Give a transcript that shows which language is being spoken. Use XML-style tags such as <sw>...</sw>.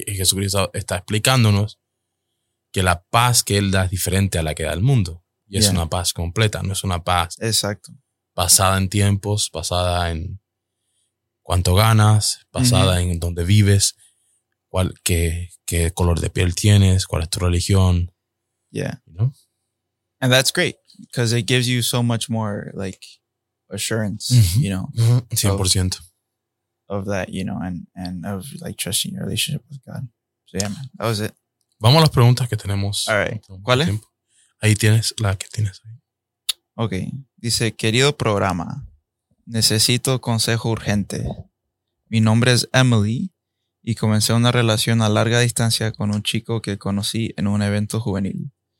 <es>Y Jesucristo está explicándonos que la paz que Él da es diferente a la que da el mundo. Y es una paz completa, no es una paz basada en tiempos, basada en cuánto ganas, basada en dónde vives, qué color de piel tienes, cuál es tu religión.</es> <en>And that's great, because it gives you so much more, like, assurance, you know. 100%. Of that, you know, and of, like, trusting your relationship with God. So, yeah, man, that was it.</en> <es>Vamos a las preguntas que tenemos.</es> <en>All right.</en> <es>¿Cuál es? Ahí tienes la que tienes ahí. Ok. Dice, querido programa, necesito consejo urgente. Mi nombre es Emily y comencé una relación a larga distancia con un chico que conocí en un evento juvenil.</es>